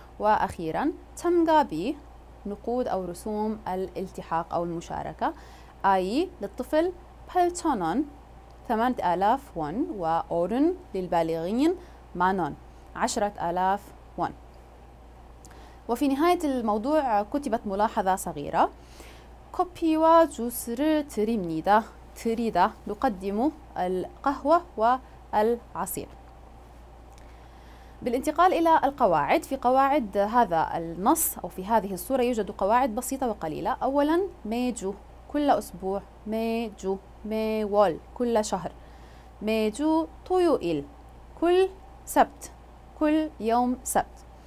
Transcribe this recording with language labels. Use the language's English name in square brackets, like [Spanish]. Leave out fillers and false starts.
[Arabic] وأخيراً تمغابي نقود أو رسوم الالتحاق أو المشاركة. أي للطفل 8000 8000 won، وأورن للبالغين مانون 10000 won. وفي نهاية الموضوع كتبت ملاحظة صغيرة. [Korean] 커피와 주스를 드립니다. [Arabic] 드리다 نقدم القهوة والعصير. بالانتقال إلى القواعد، في قواعد هذا النص أو في هذه الصورة يوجد قواعد بسيطة وقليلة. أولاً ميجو كل أسبوع، ميجو ميول كل شهر، ميجو تويوئيل كل سبت، كل يوم سبت.